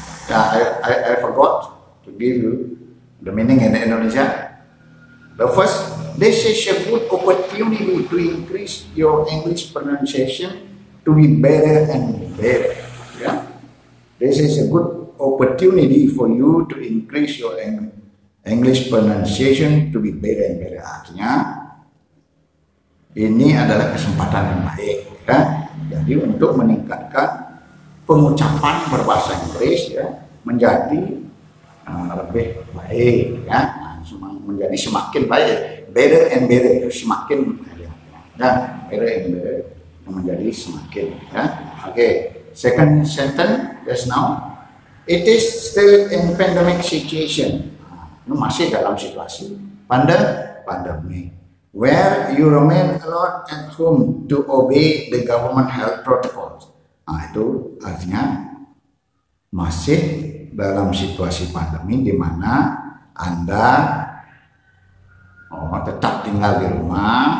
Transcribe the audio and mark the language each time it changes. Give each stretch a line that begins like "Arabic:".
English: I forgot to give you the meaning in Indonesia. The first. This is a good opportunity to increase your English pronunciation to be better and better. Yeah. This is a good opportunity for you to increase your English pronunciation to be better and better.
Indonesian: Artinya, ini adalah kesempatan yang baik, ya. Jadi untuk meningkatkan pengucapan berbahasa Inggris, ya, menjadi lebih baik, ya, menjadi semakin baik, better and better, semakin baik, ya, better and better, menjadi semakin, ya.
English: Okay, second sentence just now, it is still in pandemic situation.
Indonesian: Ini masih dalam situasi pandemi.
English: Where you remain alone at home to obey the government health protocols.
Indonesian: Itu artinya masih dalam situasi pandemi di mana Anda tetap tinggal di rumah.